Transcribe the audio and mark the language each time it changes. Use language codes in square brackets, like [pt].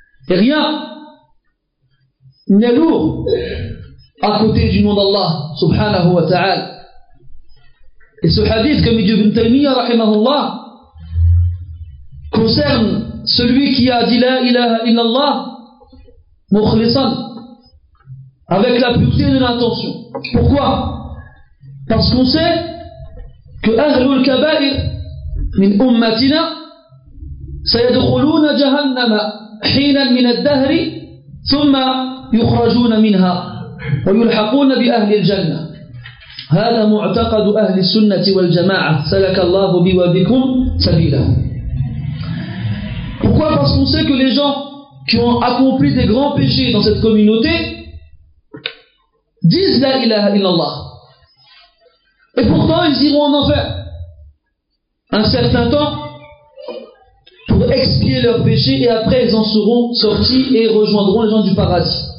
[fr] Et rien n'est lourd à côté du nom d'Allah subhanahu wa ta'ala. Et ce hadith que Midi ibn Taymiyyah rahimahullah concerne celui qui a dit [ar] la ilaha illallah mukhlisan, [fr] avec la pureté de l'intention. Pourquoi? Parce qu'on sait que [ar] ahlul kabair min ummatina سيدخلون جهنم حينا من الدهر ثم يخرجون منها ويلحقون بأهل الجنة هذا معتقد أهل السنة والجماعة سلك الله بي وبكم سبيلا. [fr] Pourquoi? Parce qu'on sait que les gens qui ont accompli des grands péchés dans cette communauté disent la ilaha illallah et pourtant ils iront en enfer un certain temps pour expier leurs péchés et après ils en seront sortis et rejoindront les gens du paradis.